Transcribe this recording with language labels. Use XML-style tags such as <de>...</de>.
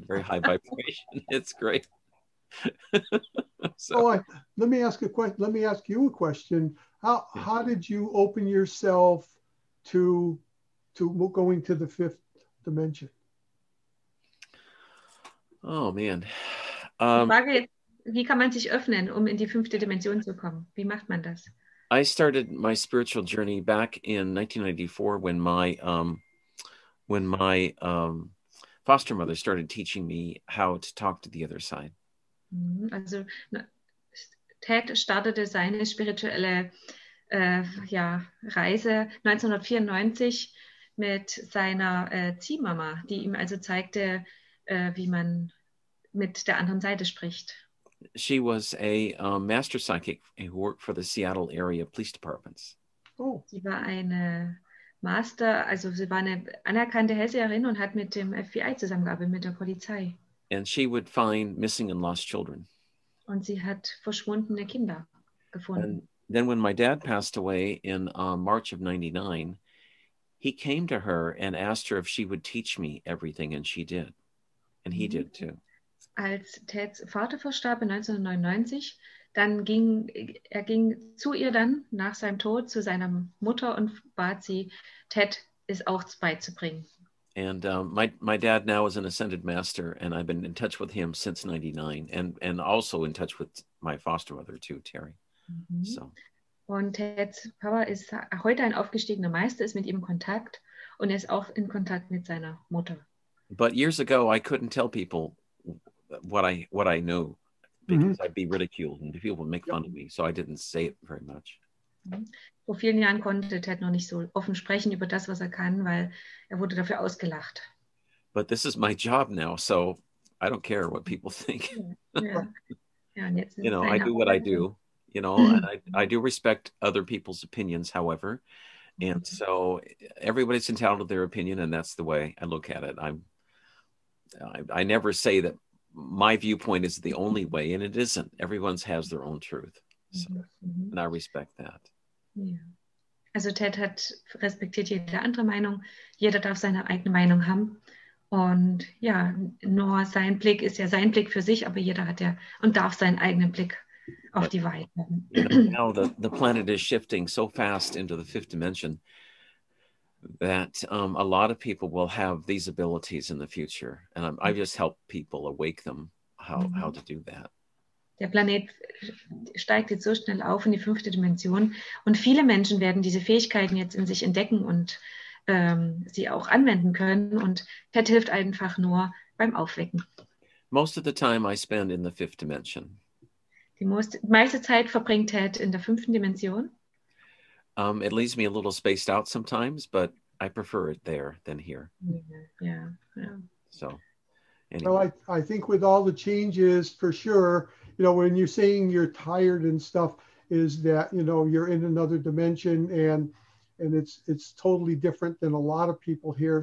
<en>Very high vibration. It's great. So let me ask you a question. How did you open yourself to going to the fifth dimension? Oh man.</en> <de>Die Frage ist, wie kann man sich öffnen, um in die fünfte Dimension zu kommen? Wie macht man das?</de> <en>I started my spiritual journey back in 1994 when my foster mother started teaching me how to talk to the other side.</en> <de>Also Ted startete seine spirituelle Reise 1994 mit seiner Ziehmama, die ihm also zeigte, wie man mit der anderen Seite spricht.</de> <en>She was a master psychic who worked for the Seattle area police departments. Oh.</en> <de>Sie war eine Master, also sie war eine anerkannte Hellseherin und hat mit dem FBI zusammengearbeitet, mit der Polizei.</de> <en>And she would find missing and lost children.</en> <de>Und sie hat verschwundene Kinder gefunden.</de> <en>And then when my dad passed away in March of 99, he came to her and asked her if she would teach me everything, and she did. And he did too.</en> <de>Als Teds Vater verstarb in 1999, dann ging er zu ihr dann nach seinem Tod zu seiner Mutter und bat sie, Ted es auch beizubringen.</de> <en>And my dad now is an ascended master, and I've been in touch with him since 99, and also in touch with my foster mother too, Terry. So.</en> <de>Und Teds Papa ist heute ein aufgestiegener Meister, ist mit ihm in Kontakt und ist auch in Kontakt mit seiner Mutter.</de> <en>But years ago, I couldn't tell people what I knew because I'd be ridiculed and people would make fun of me, so I didn't say it very much.</en> <de>Vor vielen Jahren konnte Ted noch nicht so offen sprechen über das, was er kann, weil er wurde dafür ausgelacht.</de> <en>But this is my job now, so I don't care what people think. Yeah, you know, I do what I do. You know, I do respect other people's opinions, however, and so everybody's entitled to their opinion, and that's the way I look at it. I never say that my viewpoint is the only way, and it isn't. Everyone's has their own truth, so, and I respect that.</en> <de>Yeah. Also Ted hat respektiert jede andere Meinung. Jeder darf seine eigene Meinung haben, und ja, nur sein Blick ist ja sein Blick für sich, aber jeder hat ja und darf seinen eigenen Blick.</de> <en>But, you know, now the planet is shifting so fast into the fifth dimension that a lot of people will have these abilities in the future, and I just help people awake them how to do that.</en> <de>Der Planet steigt jetzt so schnell auf in die fünfte Dimension, und viele Menschen werden diese Fähigkeiten jetzt in sich entdecken und sie auch anwenden können. Und Ted hilft einfach nur beim Aufwecken.</de> <en>Most of the time I spend in the fifth dimension.</en> <de>Die meiste Zeit verbringt Ted in der fünften Dimension.</de> <en>It leaves me a little spaced out sometimes, but I prefer it there than here. Yeah. So, anyway. Well, I think with all the changes, for sure, you know, when you're saying you're tired and stuff, is that, you know, you're in another dimension, and it's totally different than a lot of people here.</en>